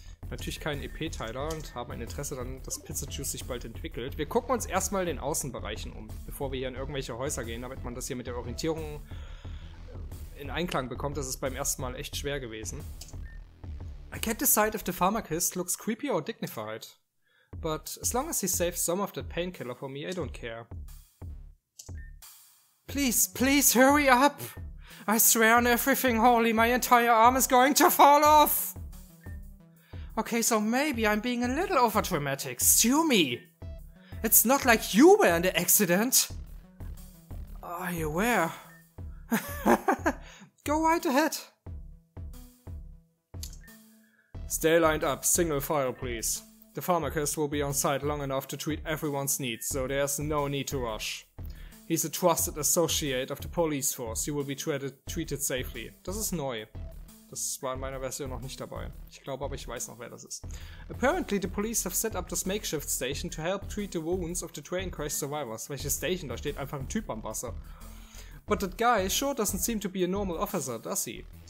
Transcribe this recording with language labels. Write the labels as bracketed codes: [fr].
[de] Natürlich keinen EP-Teiler und haben ein Interesse daran, dass Pizza-Juice sich bald entwickelt. Wir gucken uns erstmal in den Außenbereichen um, bevor wir hier in irgendwelche Häuser gehen, damit man das hier mit der Orientierung in Einklang bekommt. Das ist beim ersten Mal echt schwer gewesen. [en] I can't decide if the pharmacist looks creepy or dignified. But as long as he saves some of that painkiller for me, I don't care. Please, please hurry up! I swear on everything holy, my entire arm is going to fall off! Okay, so maybe I'm being a little overdramatic. Sue me! It's not like you were in the accident! Are you aware? Go right ahead! Stay lined up, single file please. The pharmacist will be on site long enough to treat everyone's needs, so there's no need to rush. He's a trusted associate of the police force. You will be treated safely. [de] Das ist neu. Das war in meiner Version noch nicht dabei. Ich glaube aber, ich weiß noch, wer das ist. [en] Apparently, the police have set up this makeshift station to help treat the wounds of the train crash survivors. [de] Welche Station? Da steht einfach ein Typ am Wasser. [en] But that guy sure doesn't seem to be a normal officer, does he?